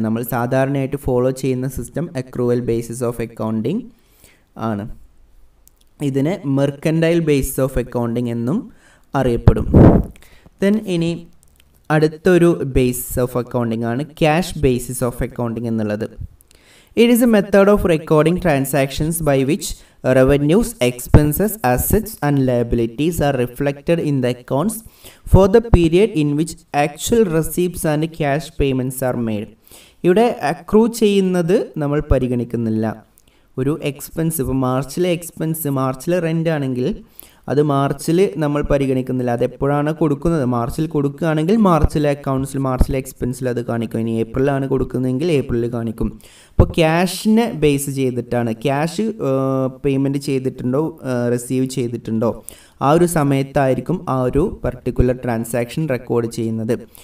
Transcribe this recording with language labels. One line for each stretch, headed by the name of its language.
Malayalam: നമ്മൾ സാധാരണയായിട്ട് ഫോളോ ചെയ്യുന്ന system accrual basis of accounting ആണ്. ഇതിനെ മെർക്കൻ്റൈൽ ബേസ് ഓഫ് അക്കൗണ്ടിങ് എന്നും അറിയപ്പെടും. ദെൻ ഇനി അടുത്തൊരു ബേസിസ് ഓഫ് അക്കൗണ്ടിങ് ആണ് ക്യാഷ് ബേസിസ് ഓഫ് അക്കൗണ്ടിങ് എന്നുള്ളത്.
English: It is a method of recording transactions by which revenues, expenses, assets, and liabilities are reflected in the accounts for the period in which actual receipts and cash payments are made.
Malayalam: ഇവിടെ accrue ചെയ്യുന്നത് നമ്മൾ പരിഗണിക്കുന്നില്ല. ഒരു expense, ഇപ്പോൾ മാർച്ചിലെ expense, മാർച്ചിലെ rent ആണെങ്കിൽ അത് മാർച്ചിൽ നമ്മൾ പരിഗണിക്കുന്നില്ല. അതെപ്പോഴാണ് കൊടുക്കുന്നത്? മാർച്ചിൽ കൊടുക്കുകയാണെങ്കിൽ മാർച്ചിലെ അക്കൗണ്ട്സിൽ, മാർച്ചിലെ എക്സ്പെൻസിൽ അത് കാണിക്കും. ഇനി ഏപ്രിലാണ് കൊടുക്കുന്നതെങ്കിൽ ഏപ്രിലിൽ കാണിക്കും. അപ്പോൾ ക്യാഷിനെ ബേസ് ചെയ്തിട്ടാണ്, ക്യാഷ് പേയ്മെൻറ്റ് ചെയ്തിട്ടുണ്ടോ, റിസീവ് ചെയ്തിട്ടുണ്ടോ ആ ഒരു സമയത്തായിരിക്കും ആ ഒരു പർട്ടിക്കുലർ ട്രാൻസാക്ഷൻ റെക്കോർഡ് ചെയ്യുന്നത്.